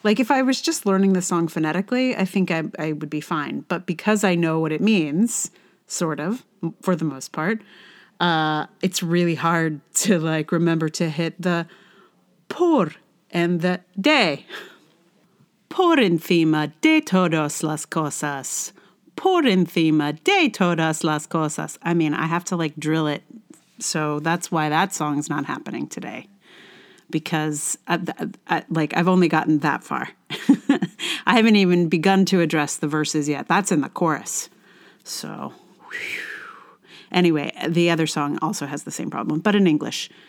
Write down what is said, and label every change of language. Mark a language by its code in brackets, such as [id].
[en] Like, if I was just learning the song phonetically, I think I would be fine. But because I know what it means, sort of, for the most part, it's really hard to, like, remember to hit the por and the de. [es] Por encima de todas las cosas. Por encima de todas las cosas. [en] I mean, I have to, like, drill it. So that's why that song's not happening today. Because, I've only gotten that far. I haven't even begun to address the verses yet. That's in the chorus. So, whew. Anyway, the other song also has the same problem, but in English.